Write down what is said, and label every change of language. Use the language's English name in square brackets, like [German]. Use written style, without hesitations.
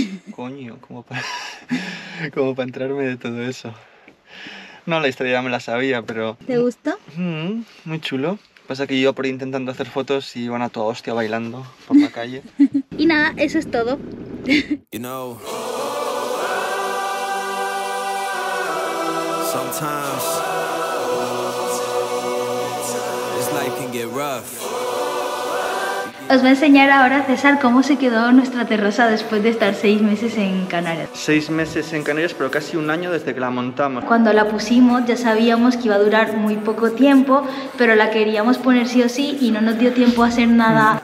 [Spanish] coño, como para entrarme de todo eso. No, la historia ya me la sabía, pero... ¿Te gustó? Muy chulo. Pasa que yo por ahí intentando hacer fotos y van a toda hostia bailando por la calle. Y nada, eso es todo. [English] You know, sometimes this life can get rough. [Spanish] Os voy a enseñar ahora, César, cómo se quedó nuestra terraza después de estar 6 meses en Canarias. 6 meses en Canarias, pero casi un año desde que la montamos. Cuando la pusimos ya sabíamos que iba a durar muy poco tiempo, pero la queríamos poner sí o sí y no nos dio tiempo a hacer nada.